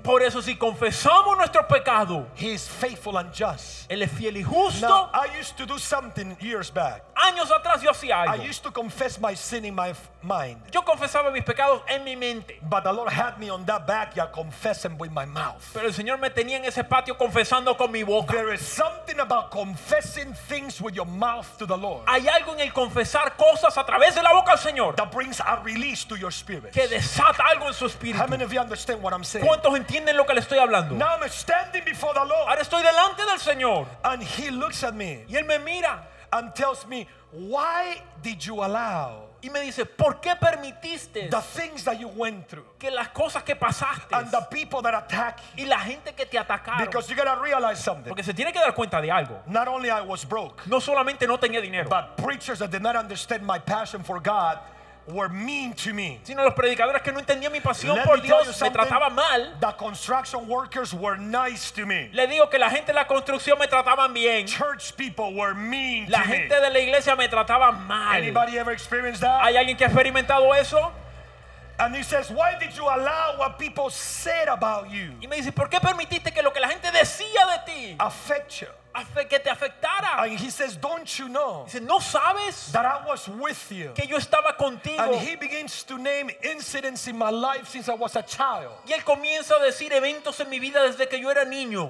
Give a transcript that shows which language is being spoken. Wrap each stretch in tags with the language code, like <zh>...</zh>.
<es>por eso si confesamos nuestro pecado,</es> <en>he is faithful and just.</en> <es>Él es fiel y justo.</es> <en>Now, I used to do something years back.</en> <es>Años atrás yo hacía algo.</es> <en>I used to confess my sin in my mind.</en> <es>Yo confesaba mis pecados en mi mente.</es> <en>But the Lord had me on that backyard confessing with my mouth.</en> <es>Pero el Señor me tenía en ese patio confesando con mi boca.</es> <en>There is something about confessing things with your mouth to the Lord.</en> <es>Hay algo en el confesar cosas a través de la boca al Señor.</es> <en>That brings a release to your spirit.</en> <es>Que desata algo en su espíritu.</es> <en>How many of you understand what I'm saying?</en> <es>¿Cuántos entienden lo que le estoy hablando?</es> <en>Now I'm standing before the Lord.</en> <es>Ahora estoy delante del Señor.</es> <en>And he looks at me.</en> <es>Y él me mira.</es> <en>And tells me, why did you allow?</en> <es>Y me dice, ¿por qué permitiste?</es> <en>The things that you went through.</en> <es>Que las cosas que pasaste.</es> <en>And the people that attack you.</en> <es>Y la gente que te atacaron.</es> <en>Because you gotta realize something.</en> <es>Porque se tiene que dar cuenta de algo.</es> <en>Not only I was broke.</en> <es>No solamente no tenía dinero.</es> <en>But preachers that did not understand my passion for God were mean to me.</en> <es>Sino los predicadores que no entendían mi pasión por Dios me trataban mal.</es> <en>The construction workers were nice to me.</en> <es>Le digo que la gente de la construcción me trataban bien.</es> <en>Church people were mean to me.</en> <es>La gente de la iglesia me trataban mal.</es> <en>Anybody ever experienced that?</en> <es>¿Hay alguien que ha experimentado eso?</es> <en>And he says, why did you allow what people said about you?</en> <es>Y me dice, ¿por qué permitiste que lo que la gente decía de ti</es> <en>affect you?</en> <es>Que te afectara.</es> <en>And he says, don't you know? He says,</en> <es>no sabes</es> <en>that I was with you.</en> <es>Que yo estaba contigo.</es> <en>And he begins to name incidents in my life since I was a child.</en> <es>Y él comienza a decir eventos en mi vida desde que yo era niño.</es>